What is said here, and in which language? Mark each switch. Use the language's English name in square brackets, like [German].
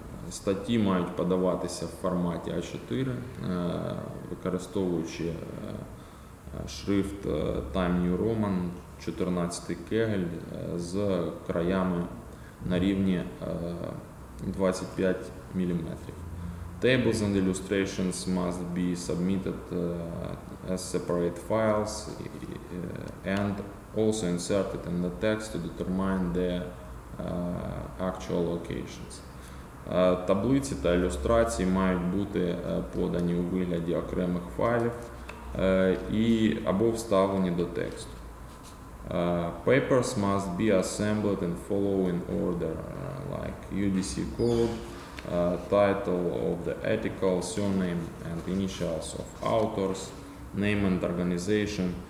[Ukrainian] Статті мають подаватися в форматі А4, використовуючи шрифт Time New Roman 14 кегель з краями на рівні 25 мм. [English] Tables and illustrations must be submitted as separate files and also inserted in the text to determine the actual locations. [Ukrainian] Таблиці та ілюстрації мають бути подані у вигляді окремих файлів і або вставлені до тексту. [English] Papers must be assembled in following order, like UDC code, title of the article, surname and initials of authors, name and organization,